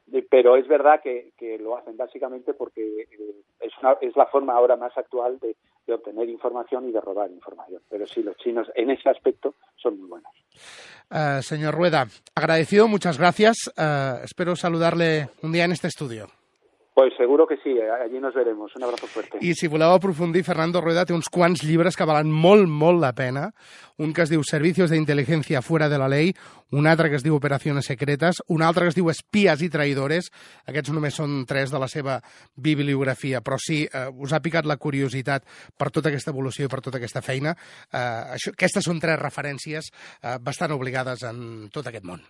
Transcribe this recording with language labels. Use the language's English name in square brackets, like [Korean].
[Spanish] Pero es verdad que lo hacen básicamente porque es la forma ahora más actual de obtener información y de robar información. Pero sí, los chinos en ese aspecto son muy buenos. Señor Rueda, agradecido, muchas gracias. Espero saludarle un día en este estudio. Pues seguro que sí, allí nos veremos. Un abrazo fuerte. [Catalan] I si voleu aprofundir, Fernando Rueda té uns quants llibres que valen molt, molt la pena. Un que es diu Servicios de Inteligencia Fuera de la Ley, un altre que es diu Operaciones Secretas, un altre que es diu Espías y Traidores. Aquests només són tres de la seva bibliografia. Però sí, us ha picat la curiositat per tota aquesta evolució i per tota aquesta feina. Aquestes són tres referències bastant obligades en tot aquest món.